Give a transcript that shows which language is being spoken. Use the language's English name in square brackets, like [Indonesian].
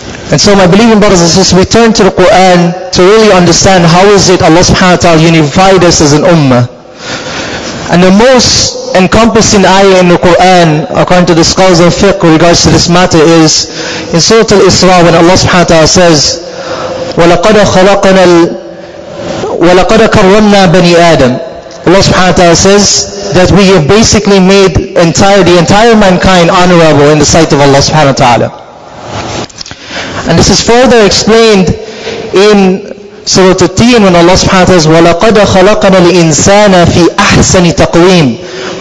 [English] And so my believing brothers and sisters, we turn to the Quran to really understand how is it Allah subhanahu wa ta'ala unified us as an ummah. And the most encompassing ayah in the Quran, according to the scholars of fiqh, regards to this matter is in Surah Al-Isra, when Allah subhanahu wa ta'ala says, [Arabic] ولقد خلقنا ولقد كرمنا بني آدم. [English] Allah subhanahu wa ta'ala says that we have basically made the entire mankind honorable in the sight of Allah subhanahu wa ta'ala. And this is further explained in Surah At-Tin when Allah subhanahu wa ta'ala says, [Arabic] وَلَقَدْ خَلَقَنَا الْإِنسَانَ فِي أَحْسَنِ تَقْوِيمٍ.